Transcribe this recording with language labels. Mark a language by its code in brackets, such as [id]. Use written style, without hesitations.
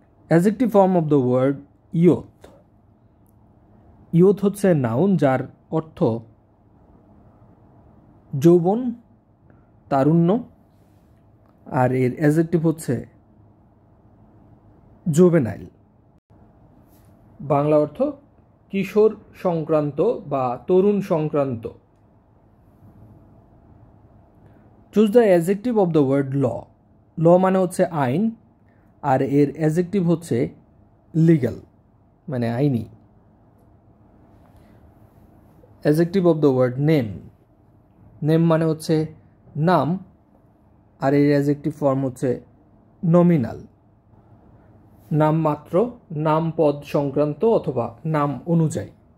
[en] Adjective form of the word yacht, [bn] yacht হচ্ছে noun যার অর্থ যৌবন, তারুণ্য, আর এর adjective হচ্ছে জুভেনাইল, বাংলা অর্থ কিশোর সংক্রান্ত বা তরুণ সংক্রান্ত। [en] Choose the adjective of the word law, law [bn] মানে হচ্ছে আইন, আর এর অ্যাডজেক্টিভ হচ্ছে লিগ্যাল, মানে আইনি। [en] adjective of the word name, [bn] name মানে হচ্ছে নাম, আর এর অ্যাডজেক্টিভ ফর্ম হচ্ছে নমিনাল, নাম মাত্র, নাম পদ সংক্রান্ত অথবা নাম অনুযায়ী।